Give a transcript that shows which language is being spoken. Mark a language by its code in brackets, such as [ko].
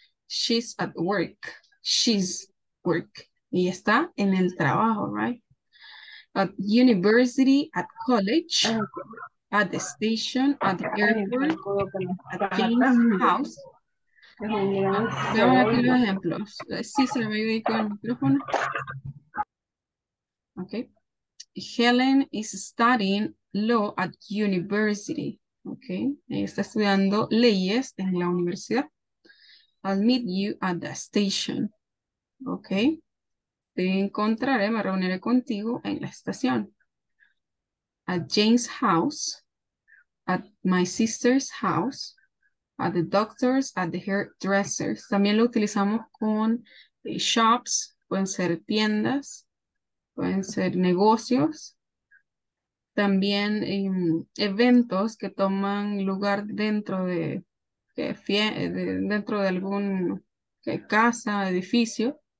[en] She's at work. She's work. [es] Y está en el trabajo, [en] right? At university, at college, at the station, at the airport, at Jane's house. [es] Veamos aquí los ejemplos. Sí, se le va a ayudar con el micrófono. [en] Okay. Helen is studying law at university. [es] Okay, está estudiando leyes en la universidad. [en] I'll meet you at the station. [es] Okay, te encontraré, me reuniré contigo en la estación. [en] At Jane's house, at my sister's house, at the doctor's, at the hairdresser's. [es] También lo utilizamos con shops, pueden ser tiendas. Pueden ser negocios, también eventos que toman lugar dentro de, dentro de algún casa, edificio.